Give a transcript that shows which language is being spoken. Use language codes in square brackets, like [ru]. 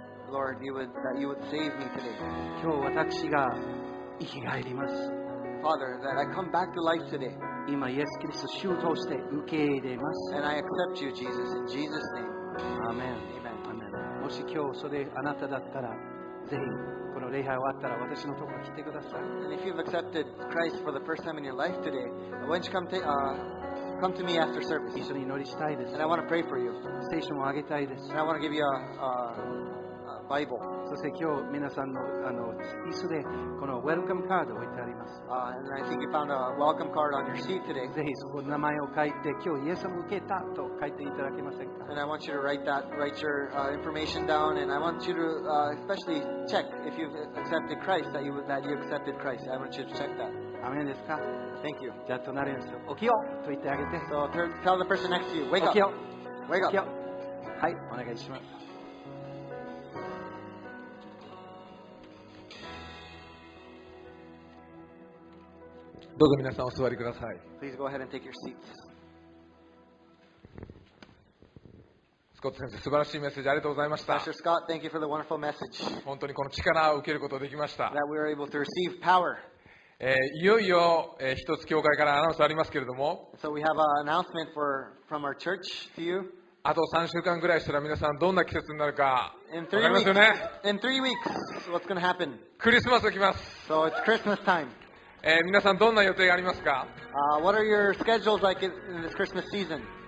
[en] Lord, you would save me today. Father, that I come back to life today. And I accept you, Jesus, in Jesus' name. Amen. Amen. Amen. [ja] もし今日それあなただったら、ぜひこの礼拝終わったら私のところに来てください。 [en] And if you've accepted Christ for the first time in your life today, why don't you come to me after service? [ja] 一緒に祈りしたいです。 [en] And I want to pray for you. [ja] ステーションをあげたいです。 [en] And I want to give you a Bible. [ja] そして今日皆さんの椅子でこのウェルカムカードを置いてあります。 [en] And I think you found a welcome card on your seat today. [ja] ぜひそこに名前を書いて今日イエス様を受けたと書いていただけませんか。 [en] And I want you to write your information down. And I want you to especially check if you've accepted Christ that you accepted Christ. I want you to check that. [ja] アメンですか。 [en] Thank you. [ja] じゃあ隣の人、起きようと言ってあげて。 [en] So tell the person next to you, wake up. [ja] 起きよう。 [en] Wake up. [ja] 起きよう。はい、お願いします。どうぞ皆さんお座りください。 [en] Please go ahead and take your seats. [ja] スコット先生、素晴らしいメッセージありがとうございました。 [en] Pastor Scott, thank you for the wonderful message. [ja] 本当にこの力を受けることができました。 [en] That we are able to receive power. [ja] いよいよ、一つ教会からアナウンスありますけれども。 [en] So we have an announcement from our church to you. [ja] あと3週間ぐらいしたら皆さんどんな季節になるか。 [en] In three weeks. In three weeks, what's going to happen? [ja] クリスマスが来ます。 [en] So it's Christmas time. [ja] 皆さんどんな予定がありますか？ [en] What are your schedules like in this Christmas season?